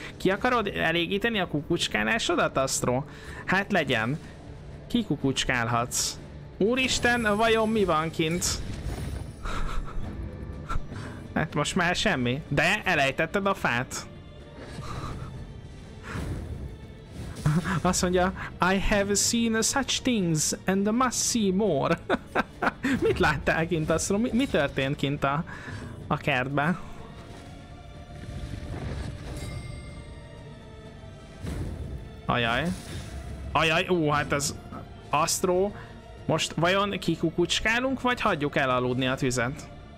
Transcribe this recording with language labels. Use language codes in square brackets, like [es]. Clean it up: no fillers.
[hu] Ki akarod elégíteni a kukucskálásodat, Astro? Hát legyen. Ki kukucskálhatsz? Úristen, vajon mi van kint? Hát most már semmi, de elejtetted a fát. Azt mondja, [en] I have seen such things and must see more. [hu] Mit láttál kint, Astro? Mi történt kint a kertben? Ajaj. Ajaj, hát ez Astro. Most vajon kikukucskálunk, vagy hagyjuk elaludni a tüzet?